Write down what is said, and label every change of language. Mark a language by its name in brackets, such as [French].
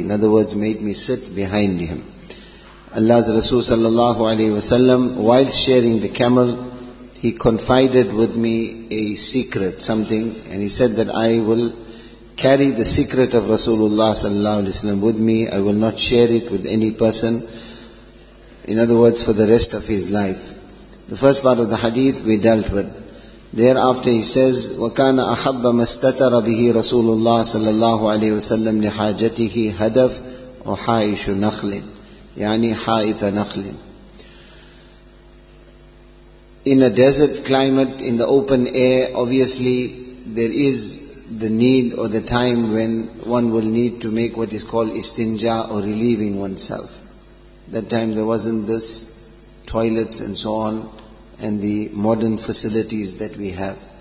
[English] In other words, made me sit behind him. Allah's Rasul sallallahu alayhi wa sallam, while sharing the camel, he confided with me a secret, something, and he said that I will carry the secret of Rasulullah sallallahu alayhi wa sallam with me. I will not share it with any person. In other words, for the rest of his life. The first part of the hadith we dealt with. Thereafter he says, [Arabic] وَكَانَ أَحَبَّ مَسْتَتَرَ بِهِ رَسُولُ اللَّهِ صَلَى اللَّهُ عَلَيْهِ وَسَلَّمْ لِحَاجَتِهِ هَدَفْ وَحَائِشُ نَخْلٍ يعني حائط نَخْلٍ. [English] In a desert climate, in the open air, obviously there is the need or the time when one will need to make what is called istinja, or relieving oneself. That time there wasn't this toilets and so on, and the modern facilities that we have.